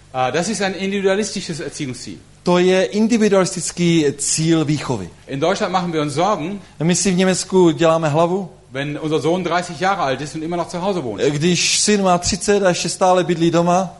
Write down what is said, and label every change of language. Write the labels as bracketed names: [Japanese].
[German] Das ist ein individualistisches Erziehungsziel. [Czech] To je individualistický cíl výchovy. [German] In Deutschland machen wir uns Sorgen. [Czech] My si v Německu děláme hlavu. [German] Wenn unser Sohn 30 Jahre alt ist und immer noch zu Hause wohnt. [Czech] Když syn má 30 a ještě stále bydlí doma.